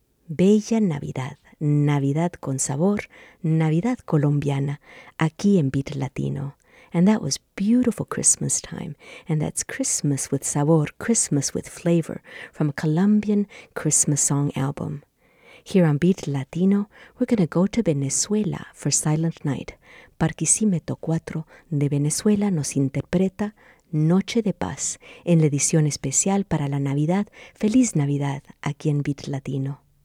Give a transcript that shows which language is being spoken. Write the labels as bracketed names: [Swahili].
[Spanish] Bella Navidad, Navidad con sabor, Navidad colombiana, aquí en Beat Latino. [English] And that was Beautiful Christmas Time, and that's Christmas with Sabor, Christmas with Flavor, from a Colombian Christmas song album. Here on Beat Latino, we're going to go to Venezuela for Silent Night. [Spanish] Barquisimeto 4 de Venezuela nos interpreta Noche de Paz, en la edición especial para la Navidad. Feliz Navidad, aquí en Beat Latino.